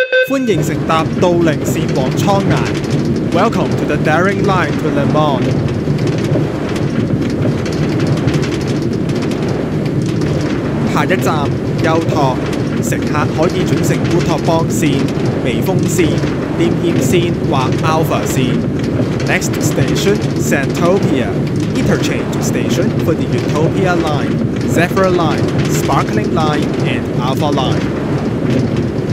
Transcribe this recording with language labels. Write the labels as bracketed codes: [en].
[zh] 欢迎乘搭都灵线往沧海。 [en] Welcome to the Daring Line to Le Mans. [zh] 下一站幽托，乘客可以转乘乌托邦线、微风线、炼焰线或 Alpha 线。 [en] Next station Centopia, interchange station for the Utopia Line, Zephyr Line, Sparkling Line and Alpha Line.